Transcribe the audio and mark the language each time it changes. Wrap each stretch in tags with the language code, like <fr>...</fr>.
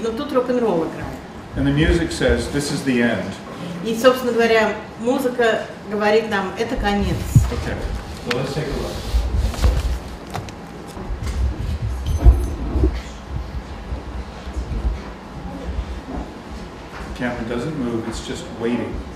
<ru>Но тут рок-н-ролл играет.</ru> <en>And the music says, "This is the end."</en> <ru>И, собственно говоря, музыка говорит нам, это конец.</ru> <en>Okay. Well, let's take a look. Camera doesn't move, it's just waiting.</en>